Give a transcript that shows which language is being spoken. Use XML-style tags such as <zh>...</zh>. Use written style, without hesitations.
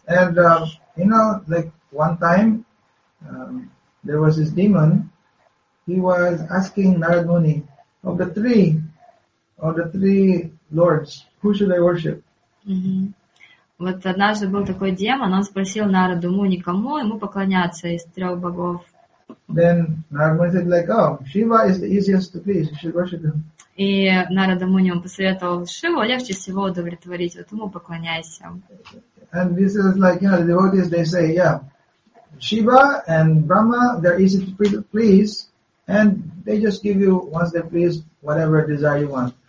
<en>And you know, like one time there was this demon. He was asking Narad Muni, of the three lords, who should I worship? Mm-hmm.</en> <ru>Вот однажды был такой демон, он спросил Нараду Муни, кому ему поклоняться из трех богов.</ru> <en>Then Narad Muni said like, oh, Shiva is the easiest to please, you should worship him.</en> <ru>И Нараду Муни ему посоветовал, Шиву легче всего удовлетворить, вот ему поклоняйся.</ru> <en>And this is like, you know, the devotees, they say, yeah, Shiva and Brahma, they're easy to please, and they just give you, once they please, whatever desire you want.</en>